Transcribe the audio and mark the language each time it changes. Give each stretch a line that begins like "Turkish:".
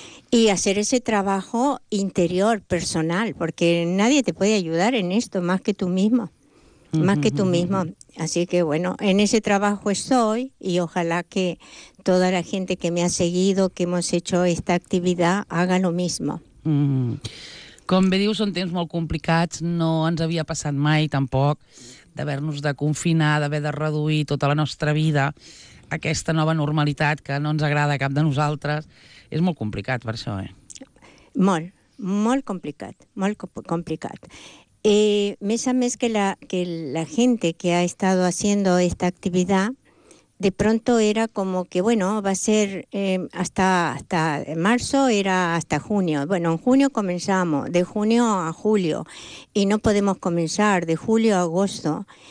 Spanish: Y hacer ese trabajo interior, personal, porque nadie te puede ayudar en esto más que tú mismo. Más que tú mismo. Así que bueno, en ese trabajo estoy y ojalá que toda la gente que me ha seguido, que hemos hecho esta actividad, haga lo mismo.
Catalan: Com bé dius, són temps molt complicats. No ens havia passat mai, tampoc, d'haver-nos de confinar, d'haver de reduir tota la nostra vida, aquesta nova normalitat que no ens agrada a cap de nosaltres. És molt complicat, per això, Molt, molt complicat, molt complicat. Més a més
Spanish: que la gente que ha estado haciendo esta actividad, de pronto era como que, bueno, va a ser hasta marzo, era hasta junio. Bueno, en junio comenzamos, de junio a julio, y no podemos comenzar de julio a agosto.